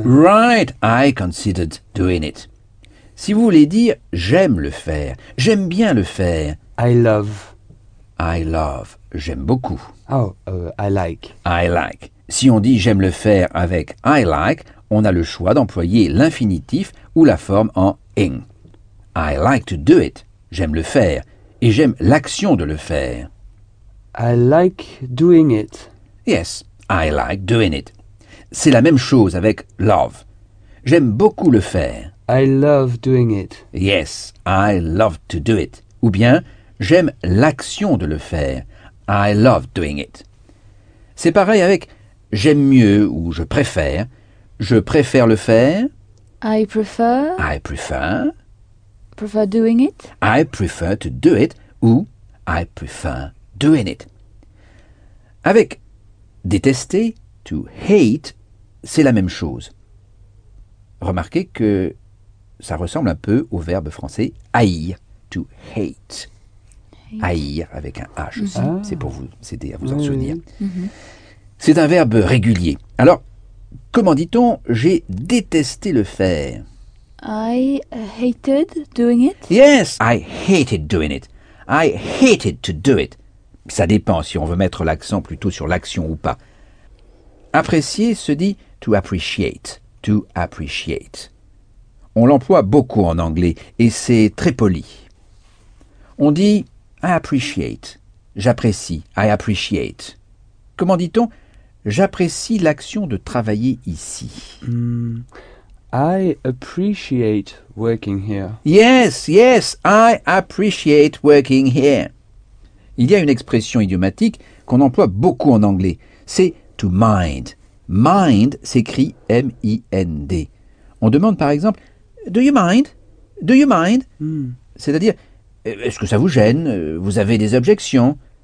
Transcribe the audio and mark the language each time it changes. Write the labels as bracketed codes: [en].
[en] Right, I considered doing it. [fr] Si vous voulez dire j'aime le faire, j'aime bien le faire. [en] I love. I love, [fr] j'aime beaucoup. [en] Oh, I like. I like. [fr] Si on dit j'aime le faire avec [en] I like, [fr] on a le choix d'employer l'infinitif ou la forme en ing. [en] I like to do it, [fr] j'aime le faire, et j'aime l'action de le faire. [en] I like doing it. Yes. I like doing it. [fr] C'est la même chose avec love. J'aime beaucoup le faire. [en] I love doing it. Yes, I love to do it. [fr] Ou bien, j'aime l'action de le faire. [en] I love doing it. [fr] C'est pareil avec j'aime mieux ou je préfère le faire. [en] I prefer I prefer. doing it. I prefer to do it ou I prefer doing it. [fr] Avec Détester, to hate, c'est la même chose. Remarquez que ça ressemble un peu au verbe français haïr, to hate. Haïr avec un H aussi, c'est pour vous aider à vous en souvenir. C'est un verbe régulier. Alors, comment dit-on j'ai détesté le faire? [en] I hated doing it. Yes, I hated doing it. I hated to do it. [fr] Ça dépend si on veut mettre l'accent plutôt sur l'action ou pas. Apprécier se dit to appreciate. To appreciate. On l'emploie beaucoup en anglais et c'est très poli. On dit [en] I appreciate. [fr] J'apprécie. I appreciate. Comment dit-on? J'apprécie l'action de travailler ici. [en] I appreciate working here. Yes, I appreciate working here. [fr] Il y a une expression idiomatique qu'on emploie beaucoup en anglais. C'est to mind. Mind s'écrit M-I-N-D. On demande par exemple, [en] Do you mind? Do you mind? [fr] C'est-à-dire, est-ce que ça vous gêne? Vous avez des objections?